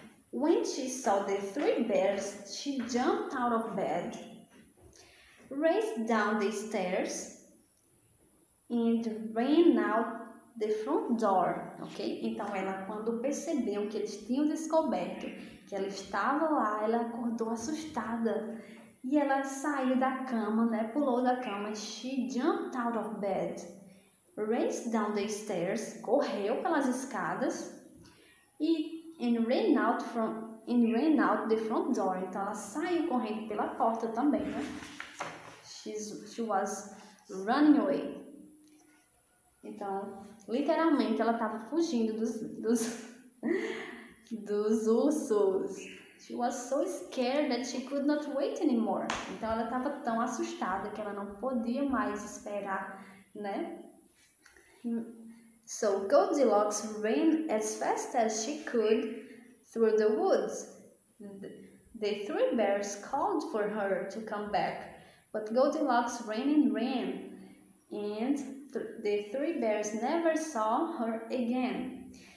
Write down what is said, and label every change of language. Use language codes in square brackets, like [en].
[en] When she saw the three bears, she jumped out of bed, raced down the stairs, and ran out the front door, ok? [pt] Então, ela, quando percebeu que eles tinham descoberto que ela estava lá, ela acordou assustada. E ela saiu da cama, né? Pulou da cama. [en] She jumped out of bed, raced down the stairs, [pt] correu pelas escadas, [en] and ran out the front door. [pt] Então, ela saiu correndo pela porta também, né? [en] She was running away. [pt] Então, literalmente, ela estava fugindo dos ursos. [en] She was so scared that she could not wait anymore. [pt] Então, ela estava tão assustada que ela não podia mais esperar, né? [en] So, Goldilocks ran as fast as she could through the woods. The three bears called for her to come back. But Goldilocks ran and ran. And the three bears never saw her again.